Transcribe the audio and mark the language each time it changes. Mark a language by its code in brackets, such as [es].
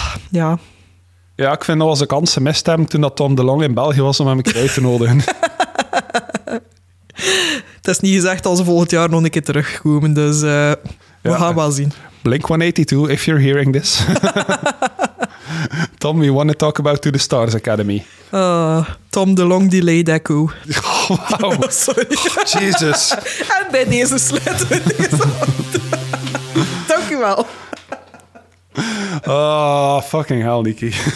[nl] Ja, ik vind dat was een kans gemist hebben toen dat Tom DeLonge in België was om hem kwijt te nodigen. Het is niet gezegd als ze volgend jaar nog een keer terugkomen, dus ja, we gaan wel zien. [en] Blink 182, if you're hearing this. Tom, we want to talk about To The Stars Academy. [nl] Tom DeLonge, die [en] delayed echo. Oh, wow. Sorry. Oh, Jesus. [nl] En bij deze sluiten we deze auto. Dank u wel. [en] Oh, fucking hell, Nicky.